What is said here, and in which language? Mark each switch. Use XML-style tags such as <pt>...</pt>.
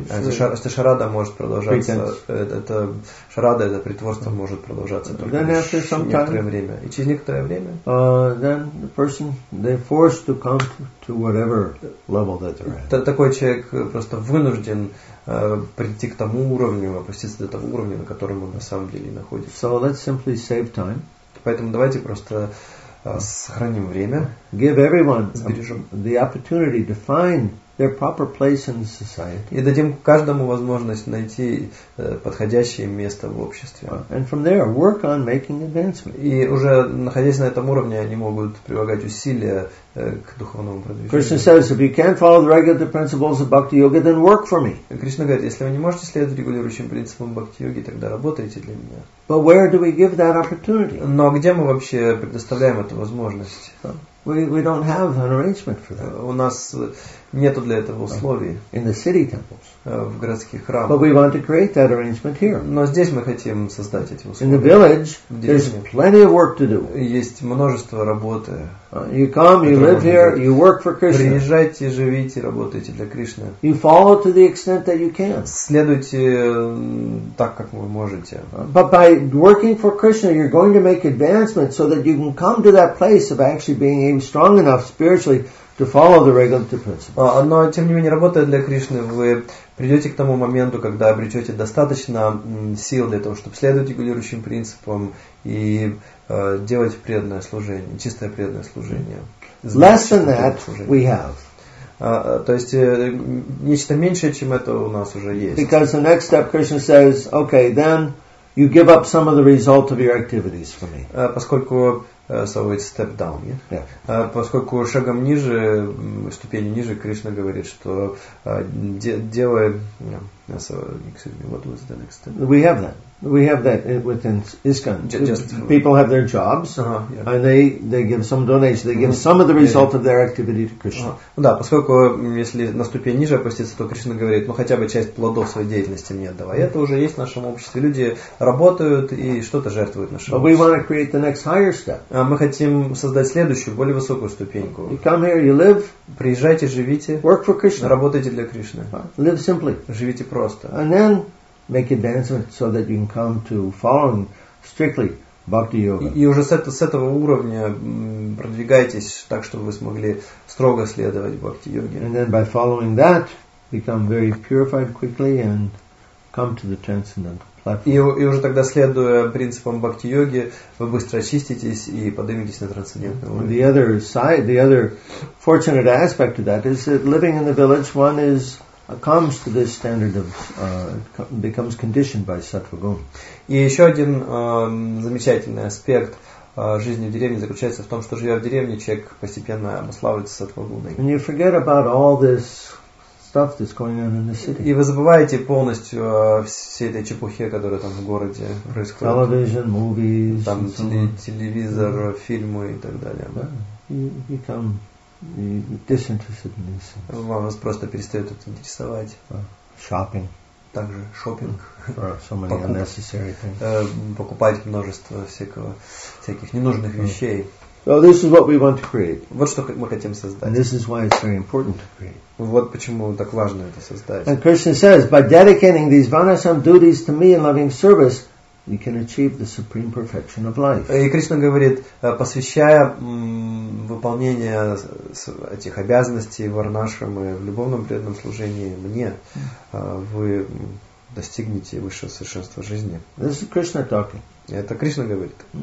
<ru>Шарада может продолжаться. Это шарада, это притворство может продолжаться только некоторое время. И через некоторое время</ru> <en>then the person, they're forced to come to whatever level that they're at.</en> <ru>Такой человек просто вынужден прийти к тому уровню, опуститься до того уровня, на котором он на самом деле находится.</ru> <en>So let's simply save time.</en> <ru>Поэтому давайте просто сохраним время.</ru> <en>Give everyone the opportunity to find their proper place in society.</en> <ru>И дадим каждому возможность найти подходящее место в обществе.</ru> <en>And from there, work on making advancement.</en> <ru>И уже находясь на этом уровне, они могут прилагать усилия к духовному продвижению.</ru> <en>Krishna says, if you can't follow the regular principles of bhakti yoga, then work for me.</en> <ru>Кришна говорит, если вы не можете следовать регулирующим принципам бхакти йоги, тогда работайте для меня.</ru> <en>But where do we give that opportunity?</en> <ru>Но где мы вообще предоставляем эту возможность?</ru> <en>We don't have an arrangement for that.</en> <ru>У нас нету для этого условий.</ru> <en>In the city temples.</en> <ru>В городских храмах.</ru> <en>But we want to create that arrangement here.</en> <ru>Но здесь мы хотим создать эти условия.</ru> <en>In the village, there's plenty of work to do.</en> <ru>Есть множество работы.</ru> <en>You come, you live here, you work for Krishna.</en> <ru>Приезжайте, живите, работайте для Кришны.</ru> <en>You follow to the extent that you can.</en> <ru>Следуйте так, как вы можете.</ru> <en>But by working for Krishna, you're going to make advancement so that you can come to that place of actually being strong enough spiritually to follow the regulative principles.</en> <ru>Но тем не менее, работая для Кришны, вы придете к тому моменту, когда обретете достаточно сил для того, чтобы следовать регулирующим принципам и делать преданное служение, чистое преданное служение.</ru> <en>Less than that we have.</en> <ru>То есть нечто меньшее, чем это у нас уже есть.</ru> <en>Because the next step, Krishna says, okay, then you give up some of the result of your activities for me. Поскольку so it's step down, yeah? Yeah.</en> <ru>Поскольку шагом ниже, ступени ниже, Кришна говорит, что делай.</ru> <en>Yeah. So, excuse me, what was the next step? We have that within ISKCON. People have their jobs, yeah, and they give some donation. They give some of the result, yeah, of their activity to Krishna.</en> <ru>Да, поскольку если на ступень ниже опуститься, то Кришна говорит, ну хотя бы часть плодов своей деятельности мне отдавай. Это уже есть в нашем обществе. Люди работают и что-то жертвуют в нашем обществе.</ru> <en>But we want to create the next higher step.</en> <ru>Мы хотим создать следующую, более высокую ступеньку.</ru> <en>You come here, you live.</en> <ru>Приезжайте, живите.</ru> <en>Work for Krishna.</en> <ru>Работайте для Кришны.</ru> <en>Live simply.</en> <ru>Живите просто.</ru> <en>And then make advancement so that you can come to following strictly bhakti yoga.</en> <ru>И уже с этого уровня продвигайтесь так, чтобы вы смогли строго следовать бхакти йоге.</ru> <en>And then by following that, become very purified quickly and come to the transcendental.</en> <ru>И уже тогда, следуя принципам бхакти-йоги, вы быстро очиститесь и подниметесь на трансцендентный уровень.</ru> <en>The other side, the other fortunate aspect of that is that living in the village, one is comes to this standard of becomes conditioned by sattva-gun.</en> <ru>И еще один замечательный аспект жизни в деревне заключается в том, что живя в деревне, человек постепенно обуславливается сатва-гуной.</ru> <en>And you forget about all this stuff that's going on in the city.</en> <ru>И вы забываете полностью о всей этой чепухе, которая там в городе происходит.</ru> <en>Television, movies,</en> <ru>там телевизор, фильмы и так далее.</ru> <en>You become disinterested in these things.</en> <ru>Вам вас просто перестает это интересовать.</ru> <en>Shopping.</en> <ru>Также шопинг.</ru> <en>So many unnecessary things.</en> <ru>Покупать множество всяких ненужных вещей.</ru> <en>So this is what we want to create.</en> <ru>Вот что мы хотим создать.</ru> <en>And this is why it's very important to create.</en> <ru>Вот почему так важно это создать.</ru> <en>And Krishna says, by dedicating these vanasam duties to me in loving service, you can achieve the supreme perfection of life.</en> <ru>И Кришна говорит, посвящая выполнение этих обязанностей варнашрамы в любовном преданном служении мне, вы достигнете высшего совершенства жизни.</ru> <en>This is Krishna talking.</en> <ru>Это Кришна говорит.</ru>